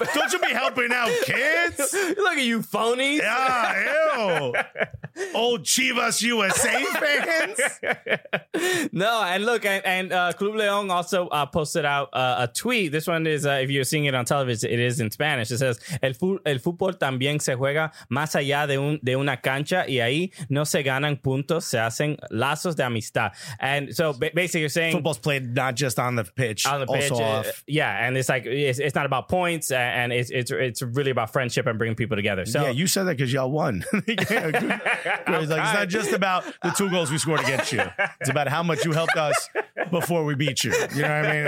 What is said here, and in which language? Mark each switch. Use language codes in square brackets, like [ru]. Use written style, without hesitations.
[en] Don't you be helping out kids? Look at you phonies. Yeah, ew. Old Chivas USA fans. No, and look, and Club León also posted out a tweet. This one is, if you're seeing it on television, it is in Spanish. It says, [es] el fútbol también se juega más allá de una cancha, y ahí no se ganan puntos, se hacen lazos de amistad. [en] And so basically you're saying football's played not just on the pitch. And it's like it's not about points, and it's really about friendship and bringing people together. So yeah, you said that because y'all won. It's not just about the two goals we scored against you. It's about how much you helped us before we beat you. You know what I mean?